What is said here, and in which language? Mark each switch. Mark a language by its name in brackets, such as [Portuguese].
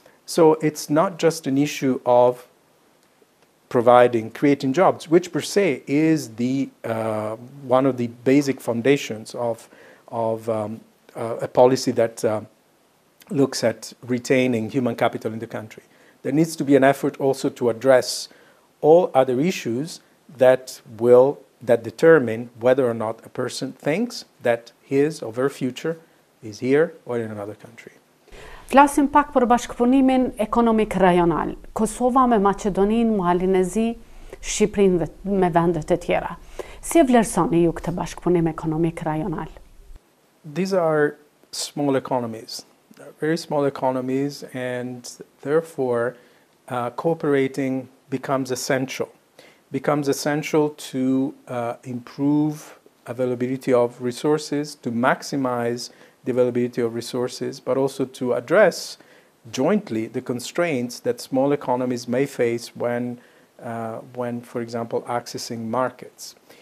[English] So it's not just an issue of creating jobs, which per se is the one of the basic foundations of a policy that looks at retaining human capital in the country. There needs to be an effort also to address all other issues that determine whether or not a person thinks that his or her future is here or in another country. [Albanian] Flasim pak për bashkëpunimin ekonomik rajonal, Kosova me Maqedoninë, Malin e Zi, Shqipërinë dhe me vendet e tjera. Si e vlerësoni ju këtë bashkëpunim ekonomik rajonal? [English] These are small economies, very small economies, and therefore cooperating becomes essential to improve availability of resources, to maximize the availability of resources, but also to address jointly the constraints that small economies may face when, for example, accessing markets.